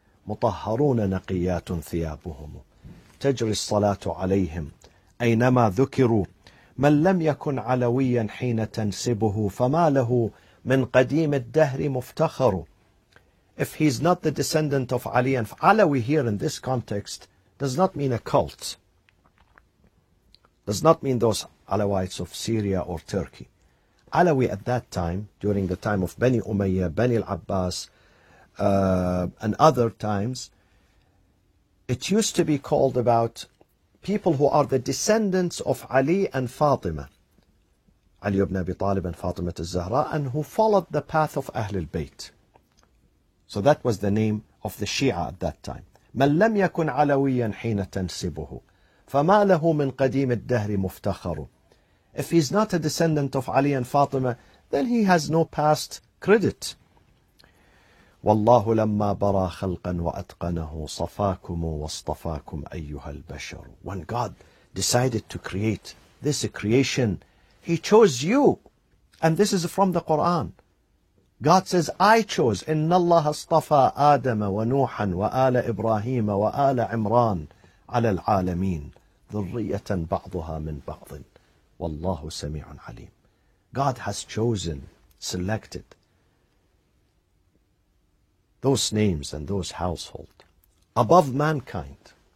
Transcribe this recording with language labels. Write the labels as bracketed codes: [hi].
[ar] مطهرون نقيات ثيابهم تجري الصلاة عليهم أينما ذكروا من لم يكن علويا حين تنسبه فما له من قديم الدهر مفتخر. [en] If he's not the descendant of Ali, and Alawi here in this context does not mean a cult, does not mean those Alawites of Syria or Turkey. Alawi at that time, during the time of Bani Umayyah, Bani al-Abbas, and other times, it used to be called about people who are the descendants of Ali and Fatima, Ali ibn Abi Talib and Fatima al-Zahra, and who followed the path of Ahlul Bayt. So that was the name of the Shia at that time. [ar] من لم يكن علويا حين تنسبه فما له من قديم الدهر مفتخر. [en] If he's not a descendant of Ali and Fatima, then he has no past credit. [ar] والله لما برا خلقا وأتقنه صفاكم واصطفاكم أيها البشر. [en] When God decided to create this creation, he chose you. And this is from the Quran. God says, I chose, [ar] إِنَّ اللَّهَ اصْطَفَى آدَمَ وَنُوحًا وَآلَ إِبْرَاهِيمَ وَآلَ عِمْرَانَ عَلَى الْعَالَمِينَ ذُرِّيَّةً بَعْضُهَا مِنْ بَعْضٍ وَاللَّهُ سَمِيعٌ عَلِيمٌ. [en] God has chosen, selected those names and those households above mankind.